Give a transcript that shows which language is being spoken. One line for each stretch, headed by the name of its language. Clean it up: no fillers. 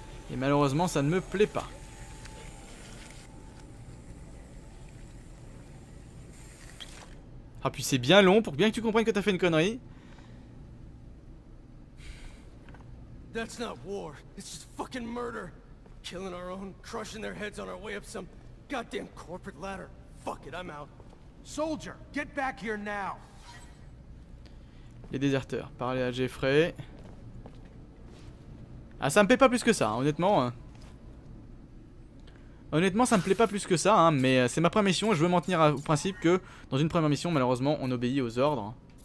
French: Et malheureusement, ça ne me plaît pas. Ah, puis c'est bien long pour bien que tu comprennes que t'as fait une connerie.
English: That's not war. It's just fucking murder. Killing our own, crushing their heads on our way up some goddamn corporate ladder. Fuck it, I'm out. Soldier, get back here now.
French: Les déserteurs, parlez à Jeffrey. Ah, ça me plaît pas plus que ça, honnêtement. Honnêtement, ça me plaît pas plus que ça, hein, mais c'est ma première mission et je veux m'en tenir au principe que dans une première mission, malheureusement, on obéit aux ordres.